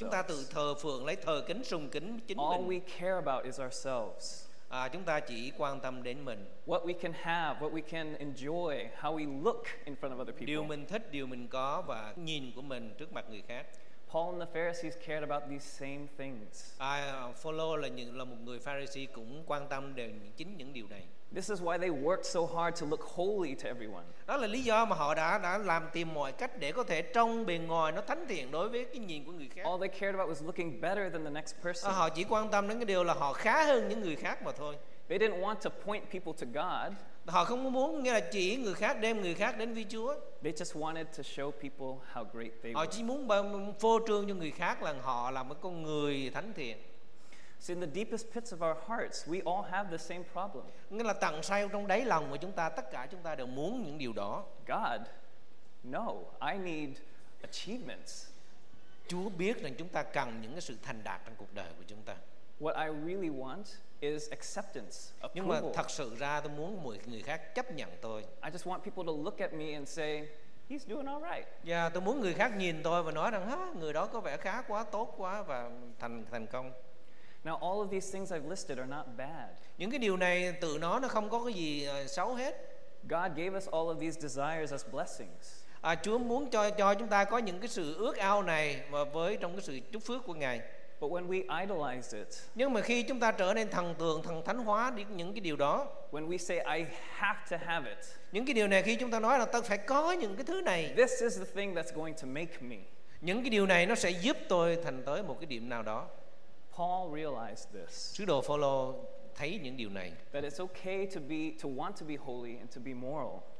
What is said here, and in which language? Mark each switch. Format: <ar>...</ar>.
<vi>Chúng ta tự thờ phượng lấy thờ kính sùng kính chính</vi> <en>All</en> <vi>mình.</vi> <en>All we care about is ourselves.</en> <vi>Chúng ta chỉ quan tâm đến mình.</vi> <en>What we can have, what we can enjoy, how we look in front of other people.</en> <vi>Điều mình thích, điều mình có và nhìn của mình trước mặt người khác.</vi> <en>Paul and the Pharisees cared about these same things.</en> <vi>Phaolô là một người Pharisee cũng quan tâm đến chính những điều này.</vi> <en>This is why they worked so hard to look holy to everyone.</en> <vi>Đó là lý do mà họ đã làm tìm mọi cách để có thể trông bề ngoài nó thánh thiện đối với cái nhìn của người khác.</vi> <en>All they cared about was looking better than the next person.</en> <vi>Họ chỉ quan tâm đến cái điều là họ khá hơn những người khác mà thôi.</vi> <en>They didn't want to point people to God.</en> <vi>Họ không muốn nghĩa là chỉ người khác đem người khác đến với Chúa.</vi> <en>They just wanted to show people how great they were.</en> <vi>Họ chỉ muốn phô trương cho người khác là họ là một con người thánh thiện.</vi> <en>So in the deepest pits of our hearts, we all have the same problem.</en> <vi>Nghĩa là tận sâu trong đáy lòng của chúng ta, tất cả chúng ta đều muốn những điều đó.</vi> <en>God, no, I need achievements.</en> <vi>Chúa biết rằng chúng ta cần những cái sự thành đạt trong cuộc đời của chúng ta.</vi> <en>What I really want is acceptance, approval.</en> <vi>Nhưng mà thật sự ra tôi muốn mọi người khác chấp nhận tôi.</vi> <en>I just want people to look at me and say, he's doing all right.</en> <vi>Yeah, tôi muốn người khác nhìn tôi và nói rằng, người đó có vẻ khá quá, tốt quá và thành công.</vi> <en>Now all of these things I've listed are not bad.</en> <vi>Những cái điều này tự nó không có cái gì xấu hết.</vi> <en>God gave us all of these desires as blessings.</en> <vi>Chúa muốn cho chúng ta có những cái sự ước ao này và với trong cái sự chúc phước của Ngài.</vi> <en>But when we idolize it,</en> <vi>nhưng mà khi chúng ta trở nên thần tượng, thần thánh hóa đi những cái điều đó,</vi> <en>when we say I have to have it,</en> <vi>những cái điều này khi chúng ta nói là tôi phải có những cái thứ này,</vi> <en>this is the thing that's going to make me,</en> <vi>những cái điều này nó sẽ giúp tôi thành tới một cái điểm nào đó.</vi> <en>Paul realized this.</en> <vi>Sứ đồ Phaolô thấy những điều này.</vi> <en>That it's okay to want to be holy and to be moral.</en>